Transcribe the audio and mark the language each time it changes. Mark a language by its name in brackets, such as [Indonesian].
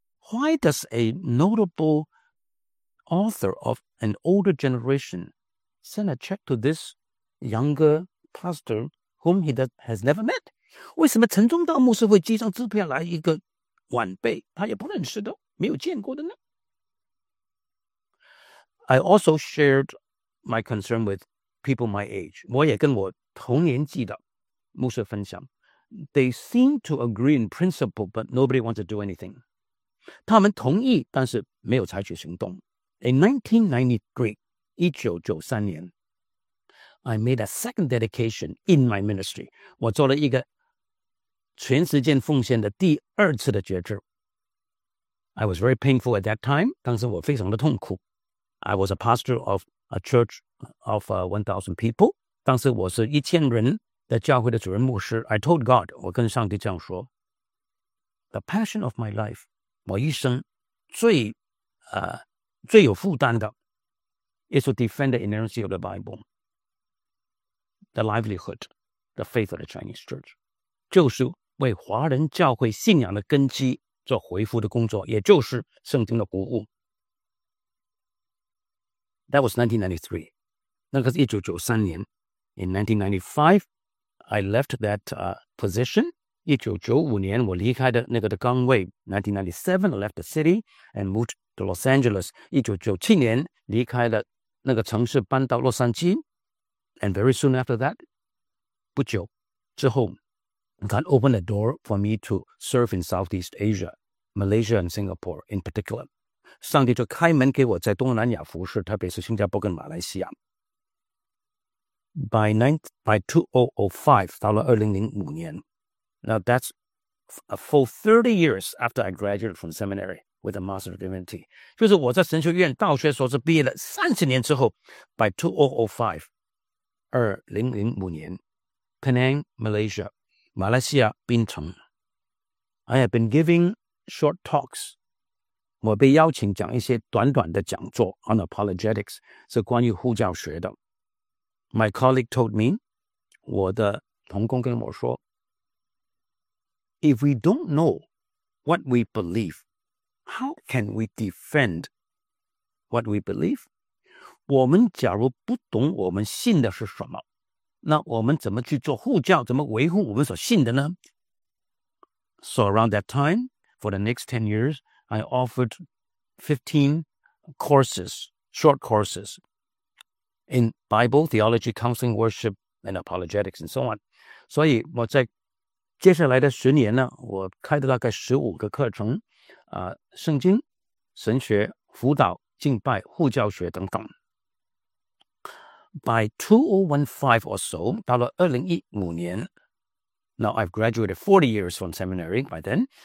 [English] Why does a notable author of an older generation send a check to this younger pastor whom he has never met. [Chinese] 为什么陈忠道牧师会寄上支票来一个晚辈他也不认识的没有见过的呢 [English] I also shared my concern with people my age. [Chinese] 我也跟我同年纪的牧师分享 [English] They seem to agree in principle, but nobody wants to do anything. [Chinese] 他们同意但是没有采取行动 [English] In 1993年I made a second dedication in my ministry. [Chinese] 我做了一个全时间奉献的第二次的觉知。 [English] I was very painful at that time. [Chinese] 当时我非常的痛苦。 [English] I was a pastor of a church of 1,000 people. [Chinese] 当时我是1,000人的教会的主任牧师。 [English] I told God, [Chinese] 我跟上帝这样说。 [English] The passion of my life, [Chinese] 我一生最有负担的 [English] is to defend the inerrancy of the Bible. The livelihood, the faith of the Chinese church. [Chinese] 就是为华人教会信仰的根基做回复的工作，也就是圣经的鼓舞。 [English] That was 1993. [Chinese] 那个是1993年. [English] In 1995, I left that position. [Chinese] 1995年我离开的那个的岗位. [English] 1997, I left the city and moved to Los Angeles. [Chinese] 1997年离开了那个城市搬到洛杉矶. [English] And very soon after that, [Chinese] 不久之后, [English] God opened the door for me to serve in Southeast Asia, Malaysia and Singapore in particular. [Chinese] 上帝就开门给我在东南亚服侍, 特别是新加坡跟马来西亚。 [English] By 2005, [Chinese] 到了2005年, [English] now that's a full 30 years after I graduated from seminary with a Master of Divinity. [Chinese] 就是我在神学院大学硕士毕业了30年之后, [English] by 2005, 2005年, Penang, Malaysia, [Chinese] 马来西亚槟城, [English] I have been giving short talks. [Chinese] 我被邀请讲一些短短的讲座 [English] on apologetics, [Chinese] 是关于护教学的. [English] My colleague told me, [Chinese] 我的同工跟我说, [English] if we don't know what we believe, how can we defend what we believe? [Chinese] 我们假如不懂我们信的是什么, 那我们怎么去做护教, 怎么维护我们所信的呢? [English] So around that time, for the next 10 years, I offered 15 courses, short courses, in Bible, theology, counseling, worship, and apologetics, and so on. [Chinese] 所以我在接下来的10年呢, 我开的大概15个课程, 圣经, 神学, 辅导, 敬拜, 护教学等等。 [English] By 2015 or so, [Chinese] 到了2015年, [English] now I've graduated 40 years from seminary by then,